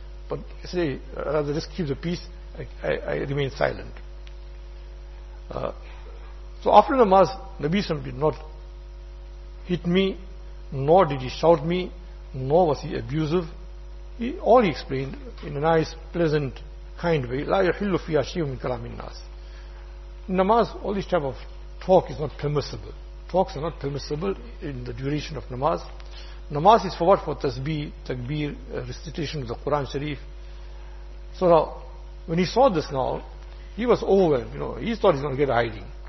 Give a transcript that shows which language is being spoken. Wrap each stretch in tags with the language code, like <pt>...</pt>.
<en>But I say, rather just keep the peace, I remain silent. So after namaz, Nabi Sam did not hit me, nor did he shout me, nor was he abusive. All he explained in a nice, pleasant, kind way.</en> <ar>لا يحل فيها شيء من كلام الناس.</ar> <en>In namaz, all this type of talk is not permissible. Talks are not permissible in the duration of namaz. Namaz is for what? For tasbih, takbir, recitation of the Quran Sharif. So now, when he saw this now, he was overwhelmed. You know, he thought he's going to get hiding.</en>